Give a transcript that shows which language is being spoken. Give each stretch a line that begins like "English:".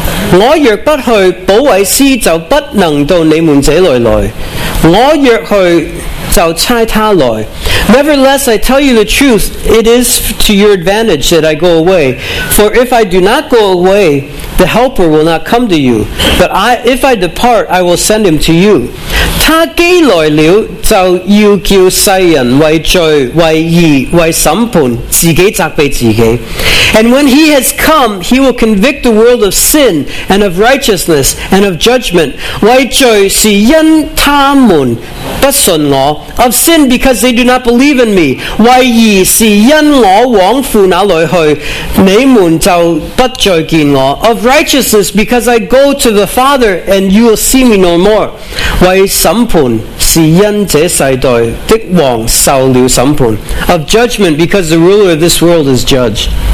Chinese: 我若不去，保惠师就不能到你们这里来，我若去就差他来。
English: Nevertheless, I tell you the truth, it is to your advantage that I go away. For if I do not go away, the Helper will not come to you. But if I depart, I will send him to you.
Chinese: 他既来了，就要叫世人为罪、为义、为审判，自己责备自己。
English: And when he has come, he will convict the world of sin, and of righteousness, and of judgment.
Chinese: 为罪是因他们不信我，
English: of sin because they do not believe in me.
Chinese: 为义是因我往父那里去，你们就不再见我。
English: Of righteousness because I go to the Father and you will see me no more.
Chinese: 为审判是因这世代的王受了审判
English: of judgment because the ruler of this world is judged.